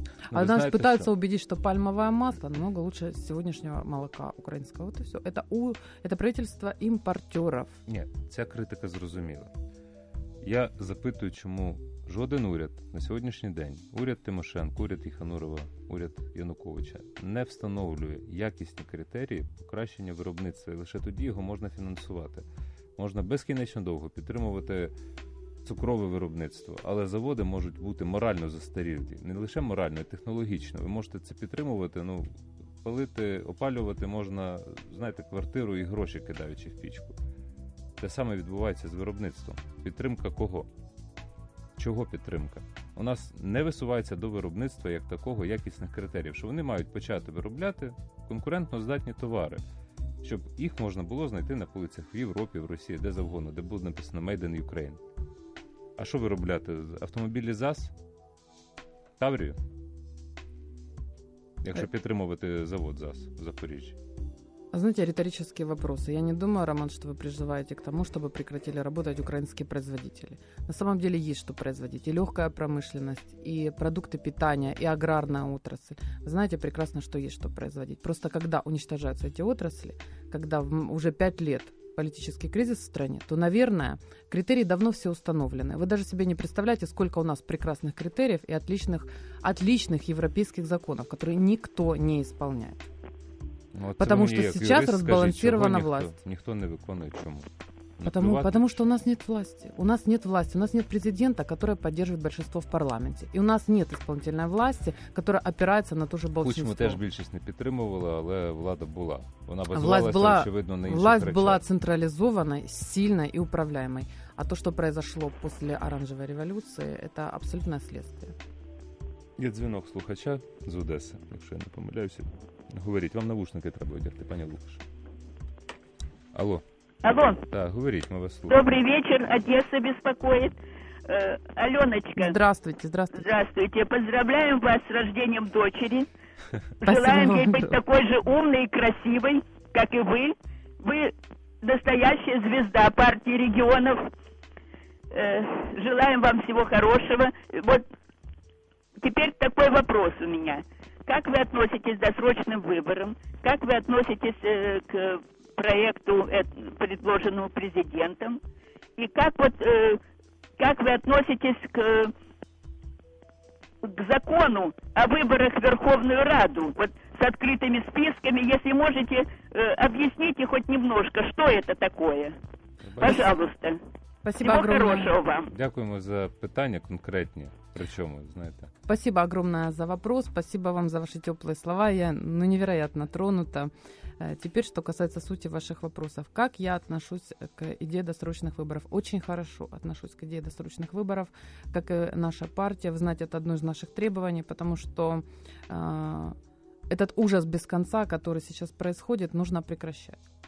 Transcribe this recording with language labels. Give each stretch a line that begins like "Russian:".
Russian: А нас пытаются убедить, что пальмовое масло намного лучше сегодняшнего молока украинского. Вот и все. Это правительство импортеров. Нет,
Ukrainian: ця критика зрозуміла. Я запитую, чому жоден уряд на сьогоднішній день, уряд Тимошенко, уряд Єханурова, уряд Януковича, не встановлює якісні критерії покращення виробництва, і лише тоді його можна фінансувати. Можна безкінечно довго підтримувати цукрове виробництво, але заводи можуть бути морально застарілі. Не лише морально, а технологічно. Ви можете це підтримувати, ну, палити, опалювати можна, знаєте, квартиру і гроші кидаючи в пічку. Те саме відбувається з виробництвом. Підтримка кого? Чого підтримка? У нас не висувається до виробництва як такого якісних критеріїв, що вони мають почати виробляти конкурентно здатні товари. Щоб їх можна було знайти на полицях в Європі, в Росії, де завгодно, де буде написано «Made in Ukraine». А що виробляти? Автомобілі ЗАЗ? Таврію? Якщо підтримувати завод ЗАЗ в Запоріжжі.
Russian: Знаете, риторические вопросы. Я не думаю, Роман, что вы призываете к тому, чтобы прекратили работать украинские производители. На самом деле есть что производить. И легкая промышленность, и продукты питания, и аграрная отрасль. Вы знаете прекрасно, что есть что производить. Просто когда уничтожаются эти отрасли, когда уже 5 лет политический кризис в стране, то, наверное, критерии давно все установлены. Вы даже себе не представляете, сколько у нас прекрасных критериев и отличных европейских законов, которые никто не исполняет. Ну, потому что сейчас разбалансирована власть. Никто не
Ukrainian: виконує чому.
Russian: Потому что у нас нет власти. У нас нет власти, у нас нет президента, который поддерживает большинство в парламенте. И у нас нет исполнительной власти, которая опирается на то же большинство.
Ukrainian: Кучму теж більшість не підтримувала, але влада була. Вона базувалася, очевидно, на інших.
Russian: Власть
Ukrainian: була централізованою, сильною і управляємою. А то, що
Russian: произошло
Ukrainian: після оранжевої революції, це абсолютне слідство. Є дзвінок слухача з Одеси, якщо я не помиляюся. Говоріть, вам навушники треба одягти, пані Лукаш. Алло. Алло.
Russian: Да, говорите, мы вас слушаем. Добрый вечер, Одесса беспокоит. Аленочка. Здравствуйте, здравствуйте. Здравствуйте, поздравляем вас с рождением дочери. Желаем ей быть такой же умной и красивой, как и вы. Вы настоящая звезда партии регионов. Желаем вам всего хорошего. Вот теперь такой вопрос у меня. Как вы относитесь к досрочным выборам? Как вы относитесь к проекту, предложенному президентом? И как вы относитесь к закону о выборах в Верховную Раду, вот с открытыми списками? Если можете, объясните хоть немножко, что это такое. Пожалуйста. Спасибо. Всего огромное. Хорошего вам.
Ukrainian: Дякуємо за питання конкретні.
Russian: Причем, знаете. Спасибо огромное за вопрос, спасибо вам за ваши теплые слова, я невероятно тронута. Теперь, что касается сути ваших вопросов. Как я отношусь к идее досрочных выборов? Очень хорошо отношусь к идее досрочных выборов, как и наша партия. Вы знаете, это одно из наших требований, потому что этот ужас без конца, который сейчас происходит, нужно прекращать.